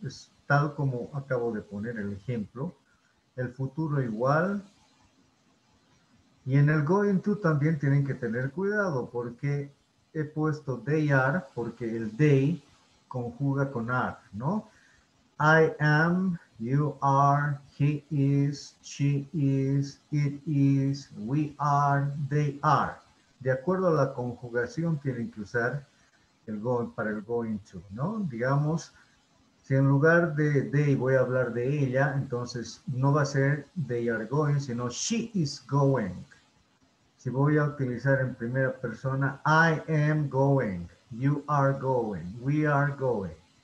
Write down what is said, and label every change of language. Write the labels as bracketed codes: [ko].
[es] Es tal como acabo de poner el ejemplo. El futuro igual. Y en el going to también tienen que tener cuidado porque he puesto they are porque el they conjuga con are, ¿no? [en] I am, you are, he is, she is, it is, we are, they are. [es] De acuerdo a la conjugación tienen que usar el going para el going to, ¿no? Digamos, si en lugar de they voy a hablar de ella, entonces no va a ser [en] they are going, [es] sino [en] she is going. [es] Si voy a utilizar en primera persona, [en] I am going, you are going, [es] we are going.